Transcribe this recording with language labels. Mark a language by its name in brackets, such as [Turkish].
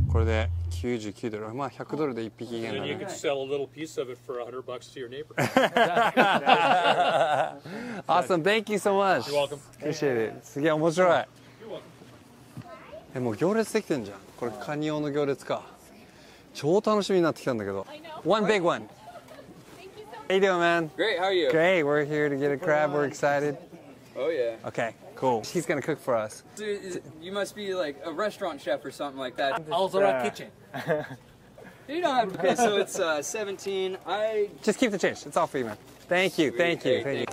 [Japanese] これで99ドル、まあ100ドルで1匹減らない。 [English] You can sell a little piece of it for $100 to your neighbor. Awesome, thank you so much. You're welcome. Appreciate it. [Japanese] すげえ面白い。 [English] You're welcome. [Japanese] もう行列できてんじゃん。これカニ用の行列か。超楽しみになってきたんだけど。 [English] One big one. Thank you so much. How you doing, man? Great, how are you? Great, we're here to get a crab, we're excited. Oh yeah. Okay. Cool. He's gonna cook for us. Dude, you must be like a restaurant chef or something like that. Also our kitchen. You don't have to pay. So it's 17. I just keep the change. It's all for you, man. Thank you. Thank you. Thank you.